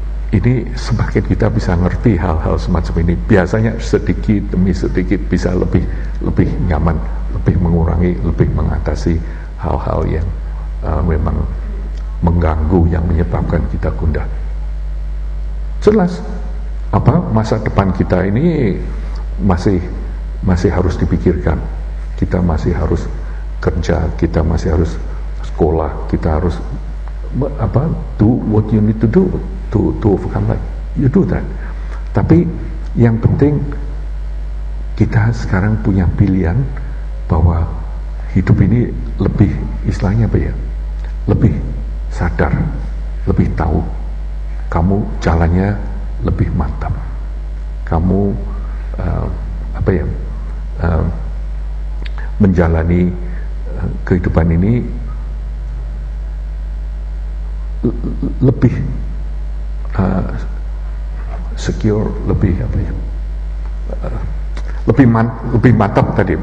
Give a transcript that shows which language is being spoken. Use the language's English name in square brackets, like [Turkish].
[Indonesian] Ini semakin kita bisa ngerti hal-hal semacam ini, biasanya sedikit demi sedikit bisa lebih nyaman, lebih mengurangi, lebih mengatasi hal-hal yang memang mengganggu, yang menyebabkan kita gundah. Jelas, apa masa depan kita ini masih harus dipikirkan. Kita masih harus kerja, kita masih harus sekolah, kita harus apa? [English] Do what you need to do. To overcome that, you do that. [Indonesian] Tapi yang penting kita sekarang punya pilihan bahwa hidup ini lebih, istilahnya apa ya, lebih sadar, lebih tahu. Kamu jalannya lebih mantap. Kamu menjalani kehidupan ini lebih secure, lebih apa ya, lebih mantap tadi.